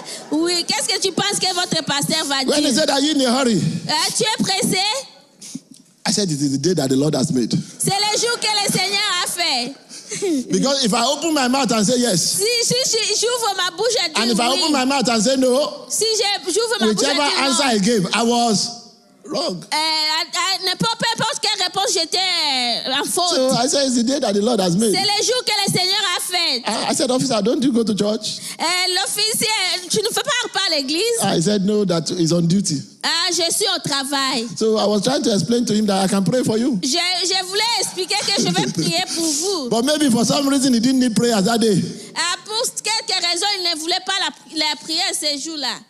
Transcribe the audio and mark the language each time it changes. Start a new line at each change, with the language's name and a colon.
French: Oui, qu'est-ce que tu penses que votre pasteur va dire?
English: When he said, "Are you in a hurry?"
French: Tu es pressé?
English: I said, "It is the day that the Lord has made."
French: C'est le jour que le Seigneur a fait.
English: Because if I open my mouth and say yes,
French: si j'ouvre ma bouche et dis
English: and if
French: oui,
English: I open my mouth and say no,
French: si j'ouvre ma bouche et dis non,
English: whichever answer I gave, I was wrong.
French: Peu importe quelle réponse j'étais en faute.
English: So I said, it's the day that the Lord has made.
French: C'est le jour que le Seigneur a fait.
English: I said, "Officer, don't you go to church?"
French: L'officier, tu ne fais pas à l'église?
English: I said, "No, that is on duty."
French: Je suis au travail.
English: So I was trying to explain to him that I can pray for you.
French: Je voulais expliquer que je vais prier pour vous.
English: But maybe for some reason he didn't need prayer that day.
French: Pour quelque raison, il ne voulait pas la prière ce jour-là.